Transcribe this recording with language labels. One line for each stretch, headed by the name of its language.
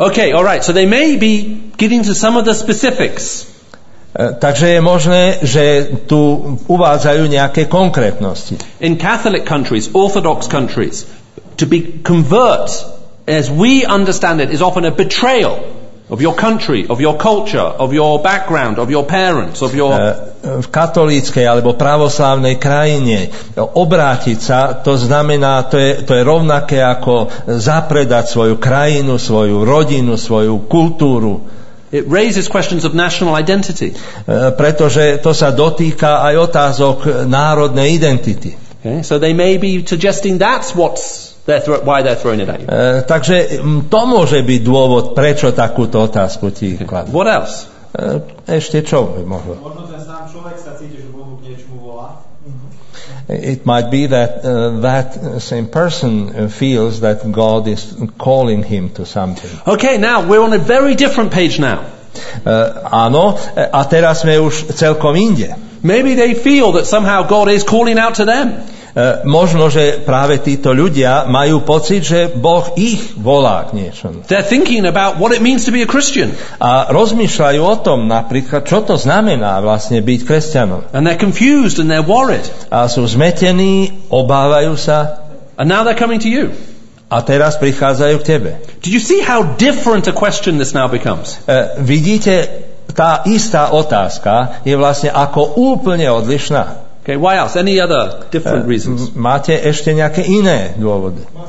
English: okay, all right. So they may be getting to some of the specifics.
Slovak: Takže je možné, že tu uvádzajú nejaké konkrétnosti.
English: In Catholic countries, Orthodox countries, to be convert, as we understand it, is often a betrayal of your country, of your culture, of your background, of your parents, of your...
Slovak: v katolíckej alebo pravoslávnej krajine. Obrátiť sa, to znamená, to je rovnaké ako zapredať svoju krajinu, svoju rodinu, svoju kultúru.
English: It raises questions of national identity.
Slovak: Pretože to sa dotýka aj otázok národnej identity.
English: Okay, so they may be suggesting that's what's why they're throwing it at you.
Slovak: Takže to môže byť dôvod, prečo takúto otázku ti kladú.
English: What else?
Slovak: Ešte čo by mohlo? Možno ten sám človek sa cíti, že Bohu k niečomu volá.
English: It might be that that same person feels that God is calling him to something. Okay, now we're on a very different page now.
Slovak: Áno, a teraz sme už celkom inde.
English: Maybe they feel that somehow God is calling out to them.
Slovak: Možno, že práve títo ľudia majú pocit, že Boh ich volá k niečomu.
English: They're thinking about what it means to be a Christian.
Slovak: A rozmýšľajú o tom, napríklad, čo to znamená vlastne byť kresťanom.
English: And they're confused and they're worried.
Slovak: A sú zmetení, obávajú sa.
English: And now they're coming to you.
Slovak: A teraz prichádzajú k tebe.
English: Did you see how different a question this now becomes?
Slovak: Vidíte, tá istá otázka je vlastne ako úplne odlišná.
English: Okay, why else? Any other different reasons?
Slovak: Máte ešte nejaké iné dôvody?